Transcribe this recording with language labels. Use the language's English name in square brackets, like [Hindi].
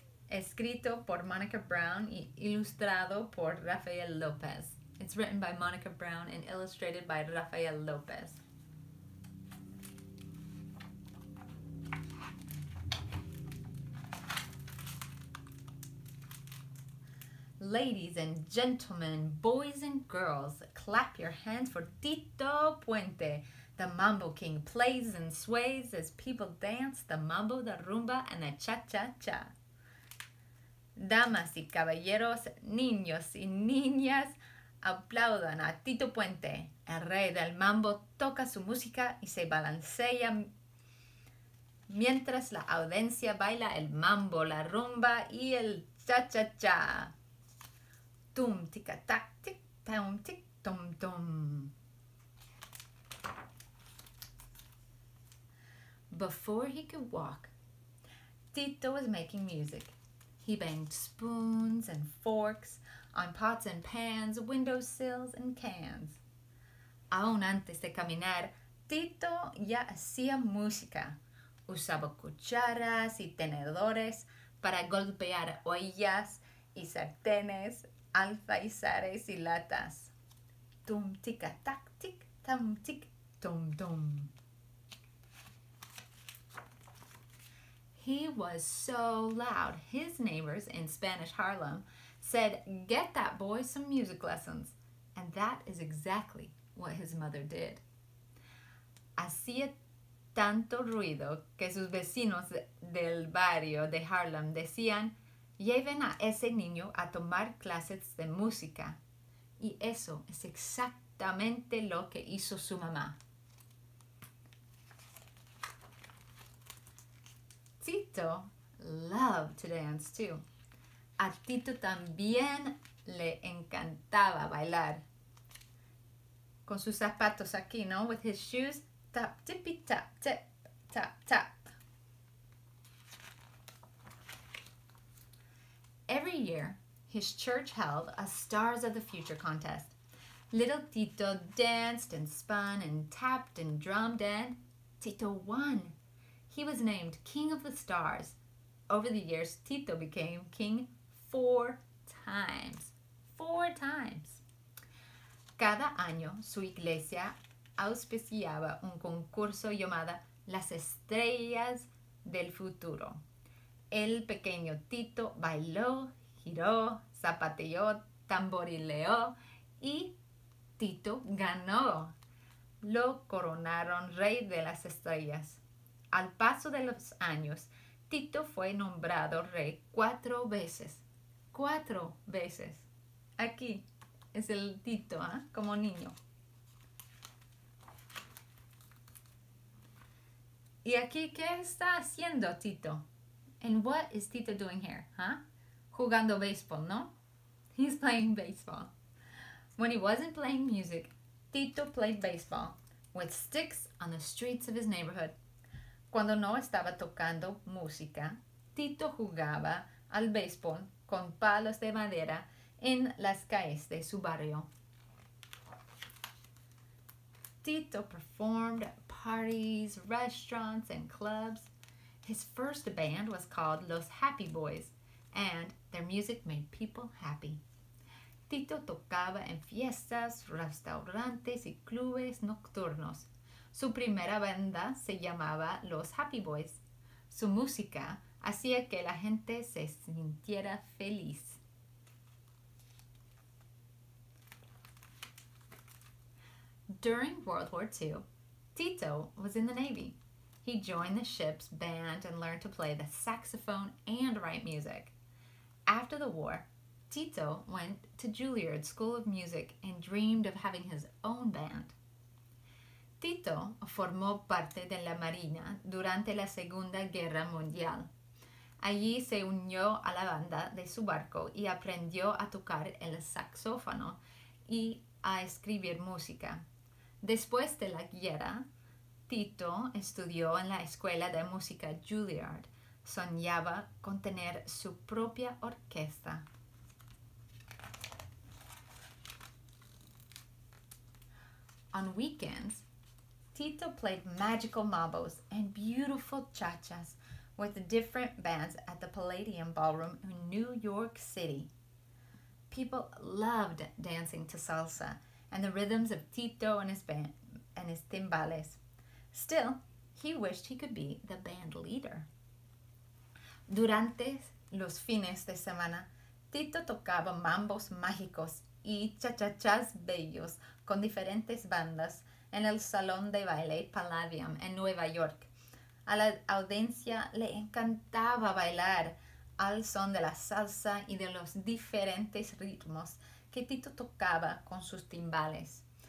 [Spanish] Escrito por Monica Brown y ilustrado por Rafael López. [English] It's written by Monica Brown and illustrated by Rafael López. Ladies and gentlemen, boys and girls, clap your hands for Tito Puente. The Mambo King plays and sways as people dance the mambo, the rumba, and the cha-cha-cha. [Spanish] Damas y caballeros, niños y niñas, aplaudan a Tito Puente. El rey del mambo toca su música y se balancea mientras la audiencia baila el mambo, la rumba y el cha-cha-cha. Tum tica tac tic tum tic tum tum. [English] Before he could walk, Tito was making music. He banged spoons and forks on pots and pans, windowsills and cans. [Spanish] Aún antes de caminar, Tito ya hacía música. Usaba cucharas y tenedores para golpear ollas y sartenes, alfaizares y latas. Tum tica tac tic tum tic tum tum. [English] He was so loud, his neighbors in Spanish Harlem said, "Get that boy some music lessons." And that is exactly what his mother did. [Spanish] Hacía tanto ruido que sus vecinos del barrio de Harlem decían, "Lleven a ese niño a tomar clases de música." Y eso es exactamente exactamente lo que hizo su mamá. [English] Tito loved to dance too. [Spanish] A Tito también le encantaba bailar. Con sus zapatos aquí, ¿no? [English] With his shoes, tap, tippy, tap, tap, tap, tap. Every year, his church held a Stars of the Future contest. Little Tito danced and spun and tapped and drummed and Tito won. He was named King of the Stars. Over the years, Tito became king four times. Four times. [Spanish] Cada año, su iglesia auspiciaba un concurso llamada Las Estrellas del Futuro. El pequeño Tito bailó, giró, zapateó, tamborileó y Tito ganó. Lo coronaron Rey de las Estrellas. Al paso de los años, Tito fue nombrado rey cuatro veces. Cuatro veces. Aquí es el Tito, ¿eh? Como niño. ¿Y aquí qué está haciendo Tito? [English] And what is Tito doing here, huh? [Spanish] Jugando baseball, ¿no? [English] He's playing baseball. When he wasn't playing music, Tito played baseball with sticks on the streets of his neighborhood. [Spanish] Cuando no estaba tocando música, Tito jugaba al béisbol con palos de madera en las calles de su barrio. [English] Tito performed at parties, restaurants, and clubs. His first band was called Los Happy Boys, and their music made people happy. [Spanish] Tito tocaba en fiestas, restaurantes y clubes nocturnos. Su primera banda se llamaba Los Happy Boys. Su música hacía que la gente se sintiera feliz. [English] During World War II, Tito was in the Navy. He joined the ship's band and learned to play the saxophone and write music. After the war, Tito went to Juilliard School of Music and dreamed of having his own band. [Spanish] Tito formó parte de la Marina durante la Segunda Guerra Mundial. Allí se unió a la banda de su barco y aprendió a tocar el saxófono y a escribir música. Después de la guerra, Tito estudió en la Escuela de Música Juilliard. Soñaba con tener su propia orquesta. [English] On weekends, Tito played magical mambos and beautiful cha-chas with different bands at the Palladium Ballroom in New York City. People loved dancing to salsa and the rhythms of Tito and his band and his timbales. Still, he wished he could be the band leader. [Spanish] Durante los fines de semana, Tito tocaba mambos mágicos y cha-cha-chas bellos con diferentes bandas en el Salón de Baile Palladium en Nueva York. A la audiencia le encantaba bailar al son de la salsa y de los diferentes ritmos que Tito tocaba con sus timbales.